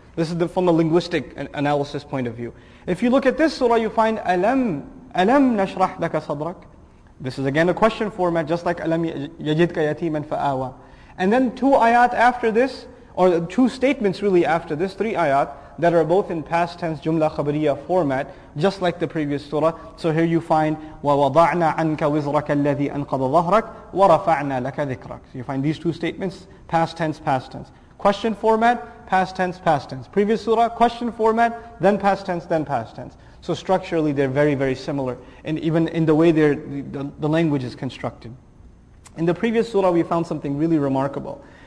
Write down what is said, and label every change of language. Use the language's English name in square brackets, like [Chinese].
[English] This is from a linguistic analysis point of view. If you look at this surah, you find [Arabic] أَلَمْ نَشْرَحْ لَكَ صَدْرَكْ. [English] This is again a question format, just like [Arabic] أَلَمْ يَجِدْكَ يَتِيمًا فَآوَى. [English] And then two ayat after this, or two statements really after this, three ayat, that are both in past tense jumla khabariya format, just like the previous surah. So here you find, [Arabic] وَوَضَعْنَا عَنْكَ وِزْرَكَ الَّذِي أَنْقَضَ ظَهْرَكَ وَرَفَعْنَا لَكَ ذِكْرَكَ. [English] So you find these two statements, past tense. Question format, past tense. Previous surah, question format, then past tense. So structurally they're very, very similar. And even in the way the language is constructed. In the previous surah we found something really remarkable.